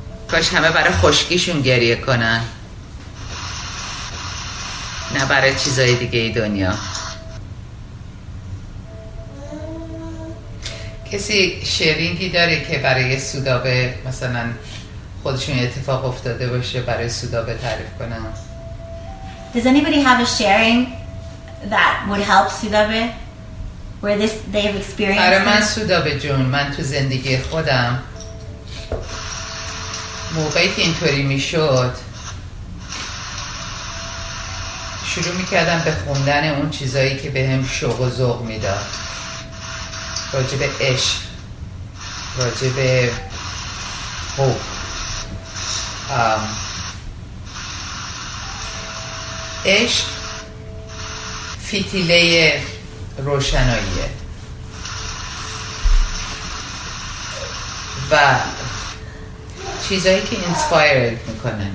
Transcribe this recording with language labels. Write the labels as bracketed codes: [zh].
[fa] کاش همه برای خشکیشون گریه کنن، نه برای چیزای دیگه ای دنیا. کسی شیرینگی داره که برای سودابه مثلا خودشون اتفاق افتاده باشه برای سودابه تعریف کنن؟ [en] Does anybody have a sharing that would help سودابه where this they've experienced? [fa] برای من سودابه جون، من تو زندگی خودم موقعی که اینطوری میشد شروع میکردم به خوندن اون چیزایی که به هم شوق و ذوق میداد، راجب عشق، راجب حب، عشق فتیله روشناییه و چیزایی که اینسپایرد میکنن.